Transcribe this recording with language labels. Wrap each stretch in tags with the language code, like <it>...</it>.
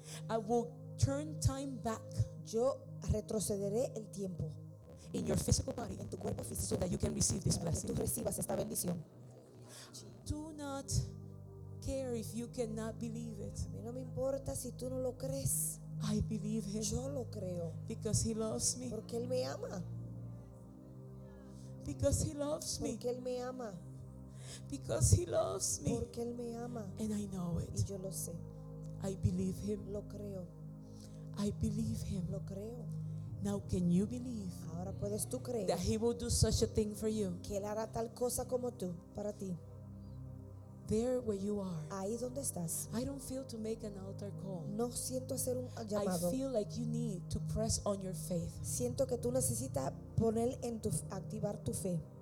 <en>I will turn time back,</en> <es>yo retrocederé el tiempo,</es> <en>in your physical body,</en> <es>en tu cuerpo físico,</es> <en>so that you can receive this blessing,</en> <es>tú recibas esta bendición.</es> <en>Do not care if you cannot believe it.</en> <es>A mí no me importa si tú no lo crees.</es> <en>I believe him.</en> <es>Yo lo creo.</es> <en>Because he loves me.</en> <es>Porque él me ama.</es> <en>Because he loves me.</en> <es>Porque él me ama.</es> <en>Because he loves me.</en> <es>Porque él me ama.</es> <en>And I know it.</en> <es>Y yo lo sé.</es> <en>I believe him.</en> <es>Lo creo.</es> <en>I believe him.</en> <es>Lo creo.</es> <en>Now can you believe,</en> <es>ahora puedes tú creer,</es> <en>that he will do such a thing for you?</en> <es>Que él hará tal cosa como tú para ti.</es> <en>There where you are.</en> <es>Ahí donde estás.</es> <en>I don't feel to make an altar call.</en> <es>No siento hacer un llamado.</es> <en>I feel like you need to press on your faith.</en> <es>Siento que tú necesitas poner en tu activar tu fe.</es>